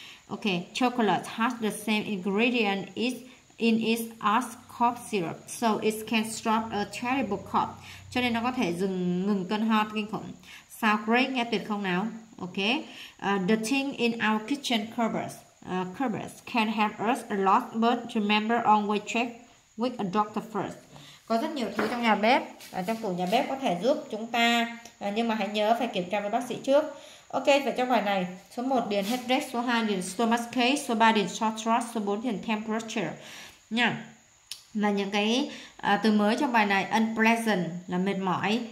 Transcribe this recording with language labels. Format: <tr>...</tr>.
<en>Okay, chocolate has the same ingredient in it as cough syrup, so it can stop a terrible cough.</en> <vi>Cho nên nó có thể ngừng cơn ho kinh khủng.</vi> <en>Sound great,</en> <vi>nghe tuyệt không nào?</vi> <en>Okay. The thing in our kitchen cupboards can help us a lot, but remember always check with a doctor first.</en> <vi>Có rất nhiều thứ trong nhà bếp, trong tủ nhà bếp có thể giúp chúng ta, nhưng mà hãy nhớ phải kiểm tra với bác sĩ trước. Ok, vậy trong bài này, số 1 điền headache, số 2 điền stomachache, số 3 điền sore throat, số 4 điền temperature. Nha. Là những cái từ mới trong bài này. Unpleasant là mệt mỏi.</vi>